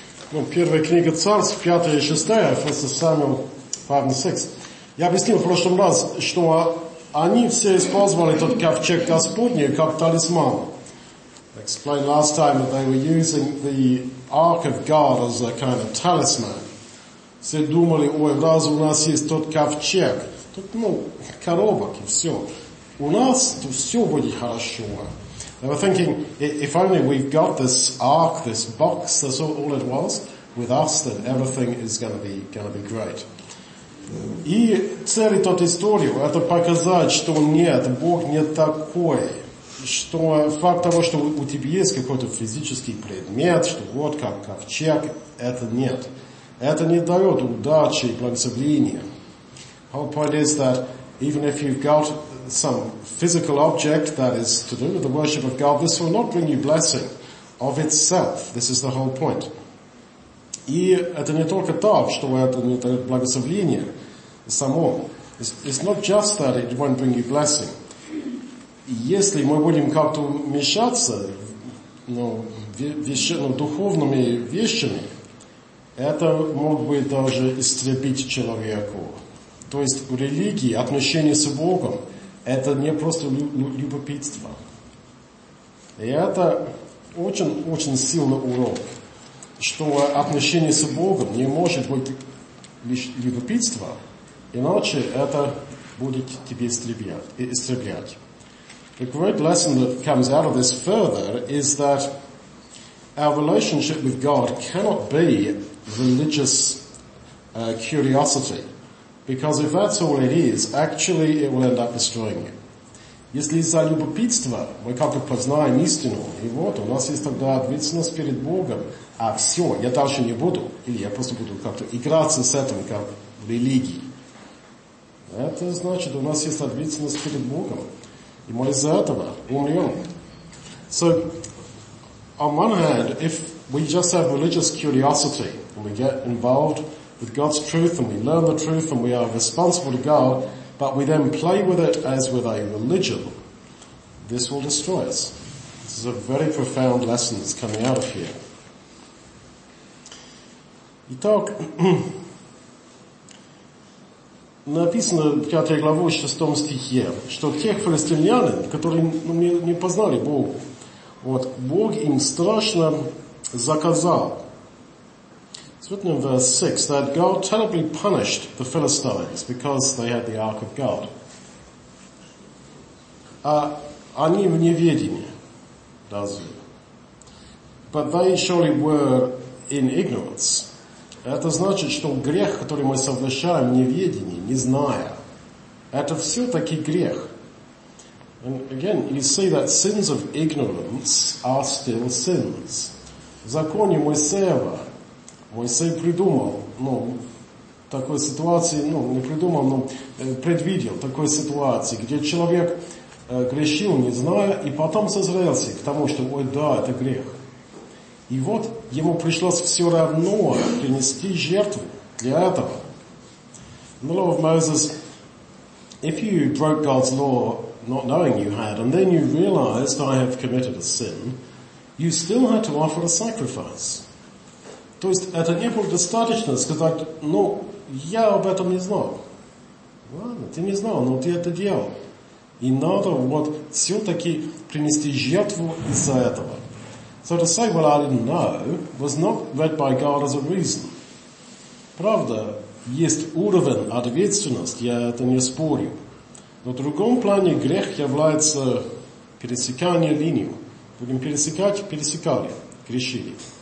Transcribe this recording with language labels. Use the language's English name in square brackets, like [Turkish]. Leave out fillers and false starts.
[Russian] Ну, первая книга Царств, 5 и 6, Фессал Самуил, 5 и 6. Я объяснил в прошлом раз, что они все использовали тот ковчег Господний как талисман. [English] I explained last time that they were using the Ark of God as a kind of talisman. [Russian] Все думали, ой, раз у нас есть тот ковчег, тот, ну, коробок и все. У нас то все будет хорошо. [English] They were thinking, if only we've got this ark, this box, that's all it was, with us, then everything is gonna be great. [Russian] И цели тот историю, это показать, что нет, Бог не такой. Что факт того, что у тебя есть какой-то физический предмет, что вот как ковчег, это нет. Это не дает удачи и благословения. [English] The whole point is that even if you've got some physical object that is to do with the worship of God, this will not bring you blessing of itself. This is the whole point. [Russian] И это не только так, что это не дает благословения само. [English] It's not just that it won't bring you blessing. [Russian] Если мы будем как-то мешаться, ну, духовными вещами, это мог бы даже истребить человеку. То есть в религии отношения с Богом — это не просто любопытство. И это очень-очень сильный урок, что отношение с Богом не может быть лишь любопытство, иначе это будет тебе истреблять. [English] The great lesson that comes out of this further is that our relationship with God cannot be religious curiosity. Because if that's all it is, actually it will end up destroying you. [Russian] Если из-за любопытства мы как-то познаем истину, и вот у нас есть тогда ответственность перед Богом, а все, я дальше не буду, или я просто буду как-то играться с этим, как в религии. Это значит, у нас есть ответственность перед Богом, и мы из-за этого умрем. [English] So, on one hand, if we just have religious curiosity, and we get involved with God's truth, and we learn the truth, and we are responsible to God, but we then play with it as with a religion, this will destroy us. This is a very profound lesson that's coming out of here. [Russian] Итак, написано в 5 главе, 6 стихе, что тех филистимлян, которые не познали Бога, вот, Бог им страшно заказал. [English] It's written in verse 6 that God terribly punished the Philistines because they had the Ark of God. [Russian] Они в неведении, разве? [English] But they surely were in ignorance. [Russian] Это значит, что грех, который мы совершаем в неведении, не зная, это все-таки грех. [English] And again, you see that sins of ignorance are still sins. [Russian] В законе Моисеева Моисей придумал, ну, такой ситуации, ну, не придумал, но предвидел такой ситуации, где человек грешил, не зная, и потом созрелся к тому, что, ой, да, это грех. И вот ему пришлось все равно принести жертву для этого. [English] The law of Moses, if you broke God's law not knowing you had, and then you realized I have committed a sin, you still had to offer a sacrifice. [Russian] То есть это не было достаточно сказать, ну, я об этом не знал. Ладно, ты не знал, но ты это делал. И надо вот все-таки принести жертву из-за этого. [English] So to say what I didn't know was not read by God as a reason. [Russian] Правда, есть уровень ответственности, я это не спорю. Но в другом плане грех является пересекание линию. Будем пересекать, пересекали, грешили.